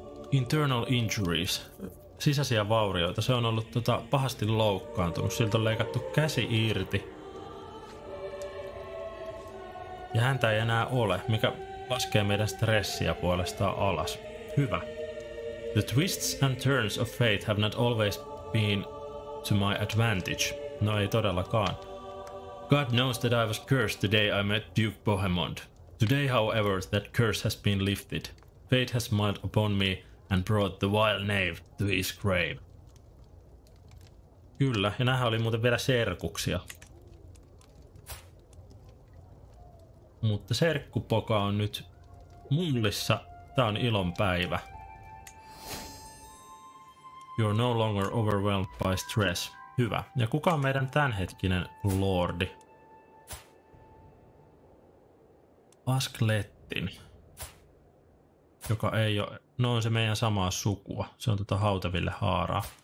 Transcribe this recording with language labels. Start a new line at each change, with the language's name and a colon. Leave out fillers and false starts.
English: Internal injuries.
Finnish: Sisäisiä vaurioita. Se on ollut pahasti loukkaantunut. Siltä on leikattu käsi irti. Ja häntä ei enää ole, mikä laskee meidän stressiä puolestaan alas. Hyvä.
English: The twists and turns of fate have not always been to my advantage.
Finnish: No ei todellakaan.
English: God knows that I was cursed the day I met Duke Bohemond. Today, however, that curse has been lifted. Fate has smiled upon me and brought the vile knave to his grave.
Finnish: Kyllä, ja näähän oli muuten vielä serkuksia. Mutta serkkupoka on nyt mullissa. Tää on ilon päivä.
English: You're no longer overwhelmed by stress.
Finnish: Hyvä. Ja kuka on meidän tämänhetkinen lordi? Asklettin. Joka ei ole... No on se meidän samaa sukua. Se on tota Hautaville haaraa.